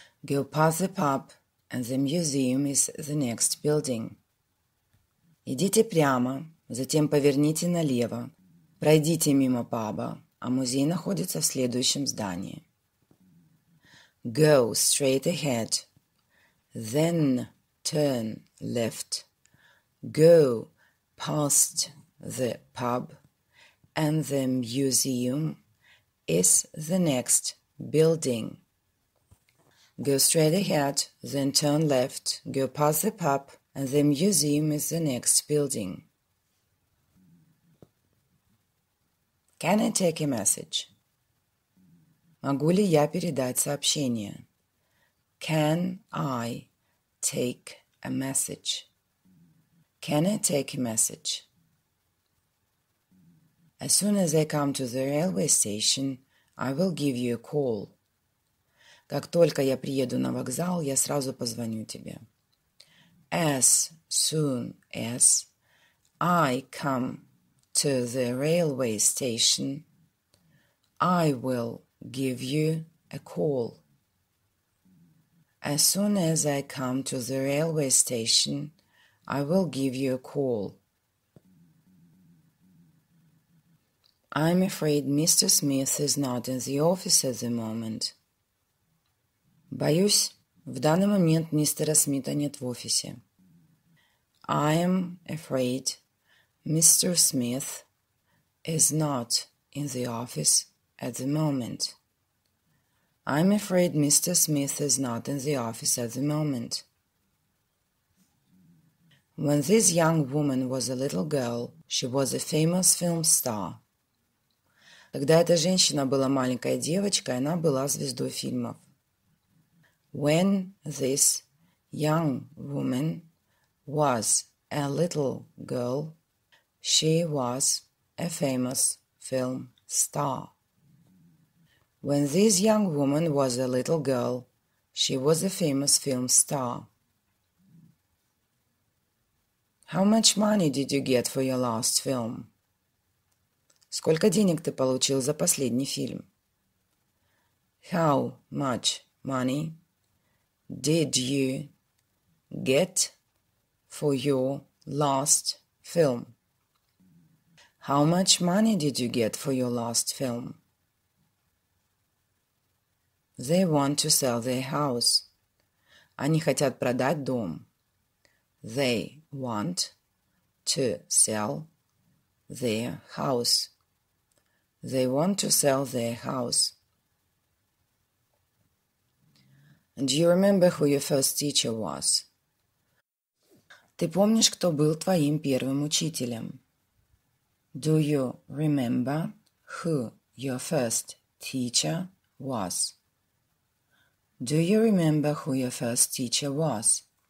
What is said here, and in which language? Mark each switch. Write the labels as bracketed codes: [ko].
[en] Go past the pub, and the museum is the next building. [ru] Идите прямо, затем поверните налево. Пройдите мимо паба, а музей находится в следующем здании. [en] Go straight ahead, then turn left, go past the pub, and the museum is the next building. Go straight ahead, then turn left, go past the pub, and the museum is the next building. Can I take a message? [ru] Могу ли я передать сообщение? [en] Can I take a message? Can I take a message? As soon as I come to the railway station, I will give you a call. [ru] Как только я приеду на вокзал, я сразу позвоню тебе. [en] As soon as I come to the railway station, I will give you a call. As soon as I come to the railway station, I will give you a call. I'm afraid Mr. Smith is not in the office at the moment. [ru] Боюсь, в данный момент мистера Смита нет в офисе. [en] I am afraid Mr. Smith is not in the office at the moment. I'm afraid Mr. Smith is not in the office at the moment. When this young woman was a little girl, she was a famous film star. [ru] Когда эта женщина была маленькой девочкой, она была звездой фильмов. [en] When this young woman was a little girl, she was a famous film star. When this young woman was a little girl, she was a famous film star. How much money did you get for your last film? [ru] Сколько денег ты получил за последний фильм? [en] How much money did you get for your last film? How much money did you get for your last film? They want to sell their house. [ru] Они хотят продать дом. [en] They want to sell their house. They want to sell their house. Do you remember who your first teacher was? [ru] Ты помнишь, кто был твоим первым учителем? [en] Do you remember who your first teacher was? Do you remember who your first teacher was?